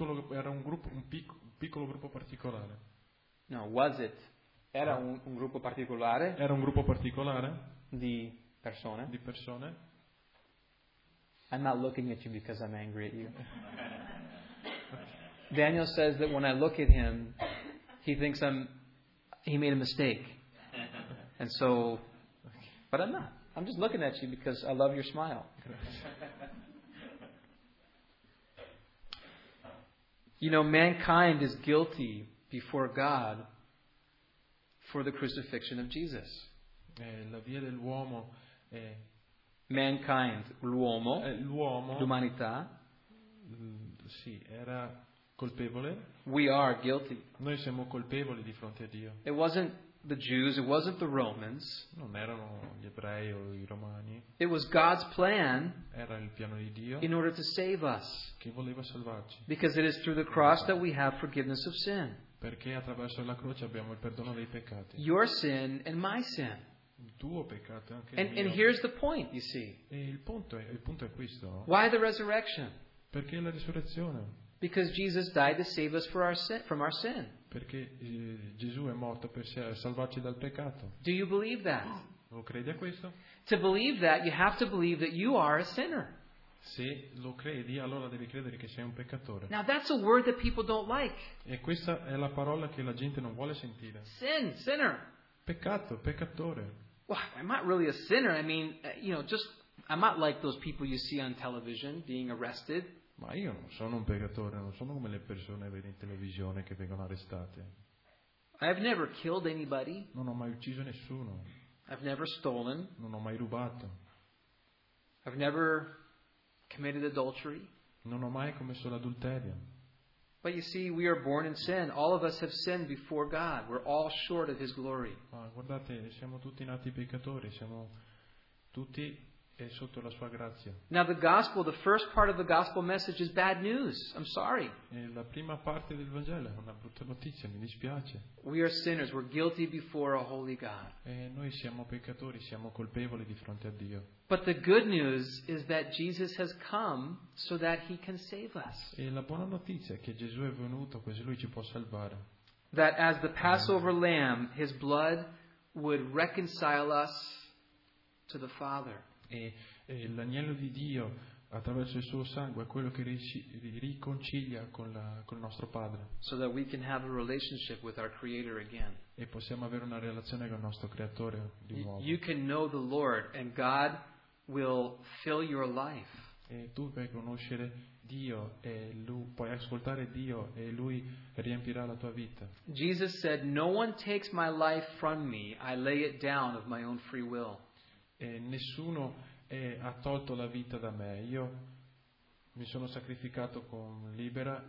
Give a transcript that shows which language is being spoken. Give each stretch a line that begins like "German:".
Italian: Era un piccolo gruppo particolare.
English: No, was it?
Italian: Era un gruppo particolare? Era un gruppo particolare di persone? Di persone.
English: I'm not looking at you because I'm angry at you. Daniel says that when I look at him, he thinks he made a mistake. And so, but I'm not. I'm just looking at you because I love your smile. You know, mankind is guilty before God for the crucifixion of Jesus.
Italian: La via dell'uomo è
English: mankind,
Italian: l'uomo, l'uomo, l'umanità, sì, era colpevole.
English: We are guilty.
Italian: Noi siamo colpevoli di fronte a Dio.
English: It wasn't the Jews, it wasn't the Romans.
Italian: Non erano gli ebrei o i romani.
English: It was God's plan.
Italian: Era il piano di Dio.
English: In order to save us.
Italian: Che voleva salvarci.
English: Because it is through the cross that we have forgiveness of sin.
Italian: Perché attraverso la croce abbiamo il perdono dei peccati.
English: Your sin and my sin.
Italian: Tuo peccato, anche
English: and here's the point, you see.
Italian: E il punto è questo.
English: Why the resurrection?
Italian: Perché la risurrezione?
English: Because Jesus died to save us from our sin.
Italian: Perché Gesù è morto per salvarci dal peccato.
English: Do you believe that?
Italian: Lo credi a questo?
English: To believe that, you have to believe that you are a sinner.
Italian: Se lo credi, allora devi credere che sei un peccatore.
English: Now that's a word that people don't like.
Italian: E questa è la parola che la gente non vuole sentire.
English: Sin, sinner.
Italian: Peccato, peccatore.
English: Well, I'm not really a sinner. I mean, you know, just I'm not like those people you see on television being arrested.
Italian: Ma io non sono un peccatore, non sono come le persone che vedi in televisione che vengono arrestate.
English: I've never killed anybody.
Italian: Non ho mai ucciso nessuno.
English: I've never stolen.
Italian: Non ho mai rubato.
English: I've never committed adultery.
Italian: Non ho mai commesso l'adulterio.
English: But you see, we are born in sin. All of us have sinned before God. We're all short of His glory.
Italian: Ma guardate, siamo tutti nati peccatori. Siamo tutti sotto la sua grazia.
English: Now the gospel, the first part of the gospel message is bad news. I'm sorry.
Italian: E la prima parte del Vangelo è una brutta notizia. Mi dispiace.
English: We are sinners. We're guilty before a holy God.
Italian: E noi siamo peccatori. Siamo colpevoli di fronte a Dio.
English: But the good news is that Jesus has come so that He can save us.
Italian: E la buona notizia è che Gesù è venuto così lui ci può salvare.
English: That as the Passover lamb, His blood would reconcile us to the Father.
Italian: E l'agnello di Dio attraverso il suo sangue è quello che riconcilia con il nostro Padre.
English: So that we can have a relationship with our Creator again.
Italian: E possiamo avere una relazione con il nostro Creatore di nuovo.
English: You can know the Lord and God will fill your life.
Italian: E tu puoi conoscere Dio e lui, puoi ascoltare Dio e lui riempirà la tua vita.
English: Jesus said, "No one takes my life from me; I lay it down of my own free will."
Italian: E nessuno ha tolto la vita da me. Io mi sono sacrificato con libera.